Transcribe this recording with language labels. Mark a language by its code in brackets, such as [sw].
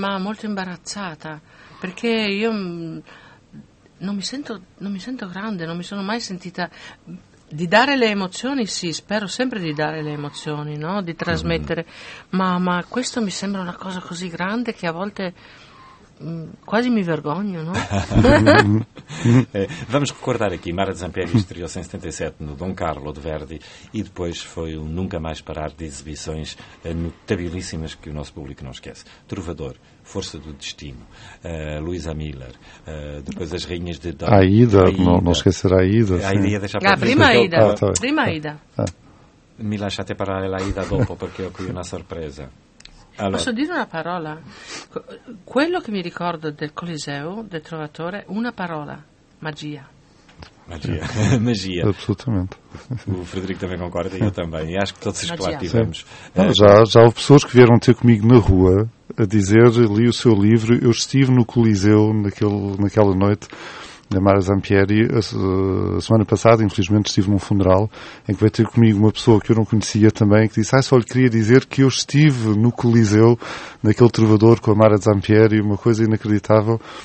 [it] Ma molto imbarazzata, perché io non mi sento grande, non mi sono mai sentita... Di dare le emozioni, sì, spero sempre di dare le emozioni, no? Di trasmettere, ma questo mi sembra una cosa così grande che a volte quasi mi vergogno, no? [pt] vamos recordar aqui, Mara Zampieri estreou 77 no Dom Carlo de Verdi e depois foi um nunca mais parar de exibições notabilíssimas que o nosso público não esquece. Trovador, Força do Destino, Luísa Miller, depois as Rainhas de Dom... Aida, não esquecer a Aida. A Aida ia deixar para... [it] prima Aida, prima Aida. Mi lasciate parlare la Aida dopo perché ho qui una sorpresa. Allora. Posso dire una parola? Quello che mi ricordo del Coliseo, del Trovatore, una parola, magia. Magia, magia. [pt] Absolutamente. O Frederico também concorda, eu também. E acho que todos os que lá tivemos. Já houve pessoas que vieram ter comigo na rua a dizer, li o seu livro, eu estive no Coliseu naquela noite... da Mara Zampieri, a semana passada, infelizmente, estive num funeral em que veio ter comigo uma pessoa que eu não conhecia também, que disse, só lhe queria dizer que eu estive no Coliseu, naquele trovador com a Mara Zampieri, uma coisa inacreditável.